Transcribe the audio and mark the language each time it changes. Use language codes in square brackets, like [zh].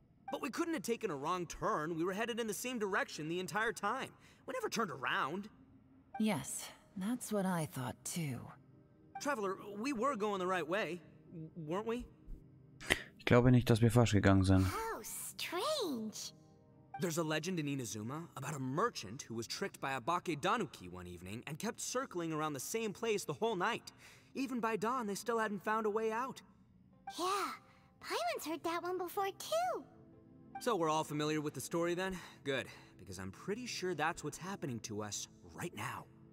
[en] But we couldn't have taken a wrong turn. We were headed in the same direction the entire time. We never turned around. Yes, that's what I thought too. Traveler, we were going the right way, weren't we? [de] Ich glaube nicht, dass wir falsch gegangen sind. [en] How strange. There's a legend in Inazuma about a merchant who was tricked by a Bakedanuki one evening and kept circling around the same place the whole night. Even by dawn, they still hadn't found a way out. Yeah, Paimon's heard that one before too. So we're all familiar with the story then? Good, because I'm pretty sure that's what's happening to us right now.